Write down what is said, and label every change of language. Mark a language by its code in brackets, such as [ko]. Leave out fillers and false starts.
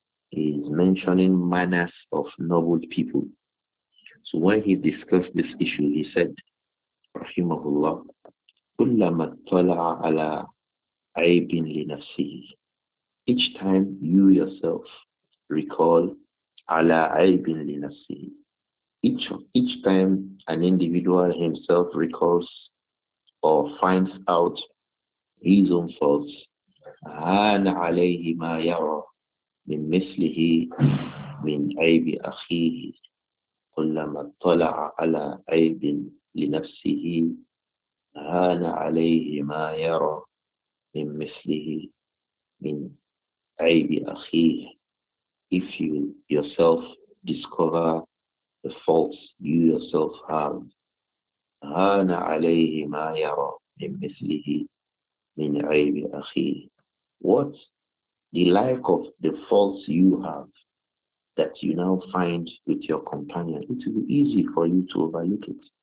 [en] He is mentioning manners of noble people. So when he discussed this issue, he said, Rahimahullah, [ar] كُلَّمَا اتَّلَعَ عَلَىٰ عَيْبٍ لِنَفْسِهِ. [en] Each time you yourself recall [ar] عَلَىٰ عَيْبٍ لِنَفْسِهِ. [en] Each time an individual himself recalls or finds out his own faults, [ar] هَانَ عَلَيْهِ مَا يَرَىٰ مِنْ مِثْلِهِ مِنْ عَيْبِ أَخِيهِ كُلَّمَا اتَّلَعَ عَلَىٰ عَيْبٍ لِنَفْسِهِ هَانَ عَلَيْهِ مَا يَرَىٰ مِنْ مِثْلِهِ مِنْ عَيْبِ أَخِيهِ. [en] If you yourself discover the faults you yourself have, [ar] هَانَ عَلَيْهِ مَا يَرَىٰ مِنْ مِثْلِهِ مِنْ عَيْبِ أَخِيهِ. [en] What the like of the faults you have that you now find with your companion, it will be easy for you to overlook it.